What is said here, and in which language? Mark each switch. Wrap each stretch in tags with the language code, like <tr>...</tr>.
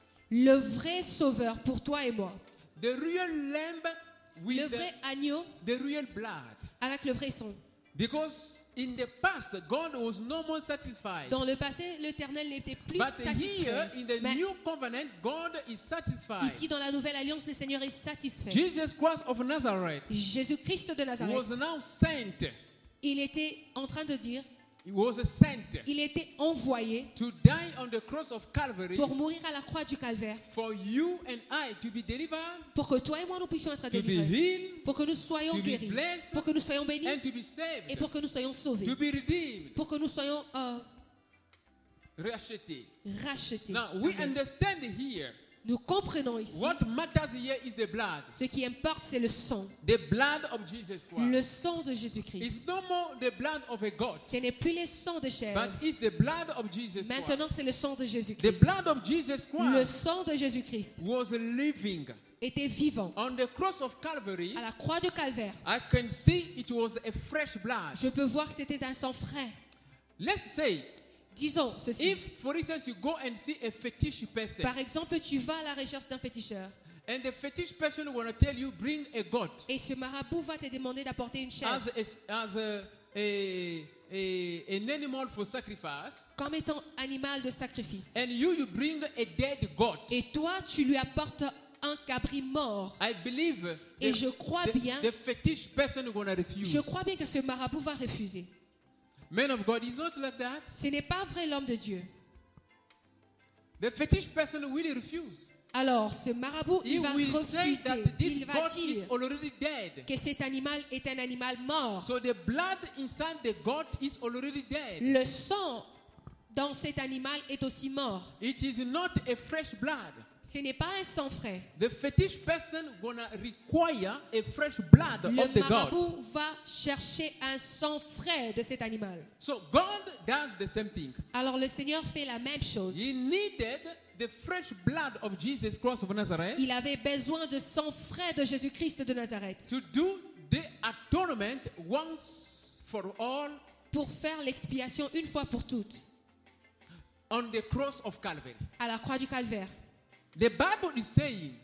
<fr>Le vrai sauveur pour toi et moi.</fr> <en>The real lamb with</en> <fr>le vrai agneau.</fr> <en>The real blood.</en> <fr>Avec le vrai sang.</fr> <en>Because in the past God was no more satisfied.</en> <fr>Dans le passé, l'Éternel n'était plus</fr> <en>but</en> <fr>satisfait.</fr> <en>But here in the new covenant, God is satisfied.</en> <fr>Ici dans la nouvelle alliance, le Seigneur est satisfait.</fr> <en>Jesus Christ of Nazareth.</en> <fr>Jésus-Christ de Nazareth.</fr> <en>Was now sent.</en> <fr>Il était en train de dire.</fr> <en>He was sent</en> <fr>il était envoyé</fr> <en>to die on the cross of Calvary</en> <fr>pour mourir à la croix du calvaire</fr> <en>for you and I to be delivered,</en> <fr>pour que toi et moi nous puissions être délivrés</fr> <en>healed,</en> <fr>pour que nous soyons guéris</fr> <en>blessed,</en> <fr>pour que nous soyons bénis</fr> <en>and to be saved,</en> <fr>et pour que nous soyons sauvés</fr> <en>to be redeemed,</en> <fr>pour que nous soyons rachetés.</fr> <en>Now we amen. Understand here</en> <fr>nous comprenons ici</fr> <en>what matters here is the blood.</en> <fr>Ce qui importe c'est le sang</fr> <en>the blood of Jesus Christ.</en> <fr>Le sang de Jésus Christ</fr> <en>it's no more the blood of a goat,</en> <fr>ce n'est plus le sang de chair</fr> <en>but it's the blood of Jesus</en> <fr>maintenant</fr> <en>Christ.</en> <fr>C'est le sang de Jésus Christ</fr> <en>the blood of Jesus Christ</en> <fr>le sang de Jésus Christ</fr> <en>was living</en> <fr>était vivant</fr> <en>on the cross of Calvary,</en> <fr>à la croix de Calvaire</fr> <en>I can see it was a fresh blood.</en> <fr>Je peux voir que c'était un sang frais</fr> <en>let's say</en> <fr>disons ceci.</fr> <en>If, for instance, you go and see a fetish person,</en> <fr>par exemple, tu vas à la recherche d'un féticheur.</fr> <en>And the fetish person will tell you bring a goat.</en> <fr>Et ce marabout va te demander d'apporter une chèvre.</fr> <en>As an animal for sacrifice.</en> <fr>Comme étant animal de sacrifice.</fr> <en>And you bring a dead goat.</en> <fr>Et toi, tu lui apportes un cabri mort.</fr> <en>I believe.</en> <fr>Et je crois bien.</fr> <en>The fetish person will gonna refuse.</en> <fr>Je crois bien que ce marabout va refuser.</fr> <en>Man of God is not like that.</en> <fr>Ce n'est pas vrai l'homme de Dieu.</fr> <en>The fetish person will refuse.</en> <fr>Alors, ce marabout,</fr> <en>he</en> <fr>il va</fr> <en>will</en> <fr>refuser.</fr> <en>Say that this</en> <fr>il va</fr> <en>goat</en> <fr>dire</fr> <en>is already dead.</en> <fr>Que cet animal est un animal mort.</fr> <en>So the blood inside the goat is already dead.</en> <fr>Le sang dans cet animal est aussi mort.</fr> <en>It is not a fresh blood.</en> <fr>Ce n'est pas un sang frais.</fr> <en>The fetish person gonna require a fresh blood</en> <fr>le</fr> <en>of the goat.</en> <fr>Le marabout va chercher un sang frais de cet animal.</fr> <en>So God does the same thing.</en> <fr>Alors le Seigneur fait la même chose.</fr> <en>He needed the fresh blood of Jesus Christ of Nazareth.</en> <fr>Il avait besoin de sang frais de Jésus-Christ de Nazareth.</fr> <en>To do the atonement once for all</en> <fr>pour faire l'expiation une fois pour toutes.</fr> <en>On the cross of Calvary.</en> <fr>À la croix du calvaire.</fr> <en>The Bible is saying.</en>